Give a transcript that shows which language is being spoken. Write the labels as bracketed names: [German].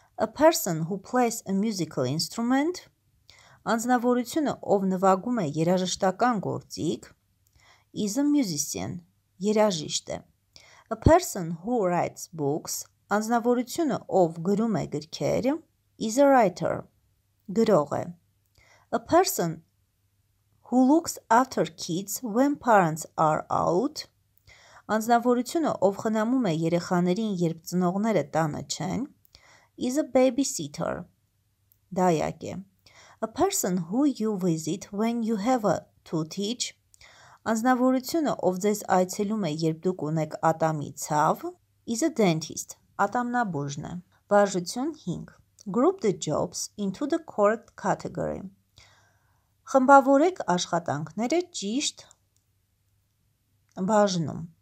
[English] A person who plays a musical instrument. [Armenian] Անձնավորությունը, ով նվագում է երաժշտական գործիք, [English] is a musician, [Armenian] երաժիշտ է. [English] A person who writes books. [Armenian] Անձնավորությունը, ով գրում է գրքեր, [English] is a writer, [Armenian] գրող է. [English] A person who looks after kids when parents are out. [Armenian] Անձնավորությունը, ով խնամում է երեխաներին, երբ ծնողները տանը չեն, [English] is a babysitter, [Armenian] դայակ է. [English] A person who you visit when you have a to teach. [Armenian] Անձնավորությունը, ով ձեզ այցելում է, երբ դուք ունեք ատամի ցավ, [English] is a dentist, [Armenian] ատամնաբույժն է. Վարժություն 5. [English] Group the jobs into the correct category. [Armenian] Խմբավորեք աշխատանքները ճիշտ բաժնում.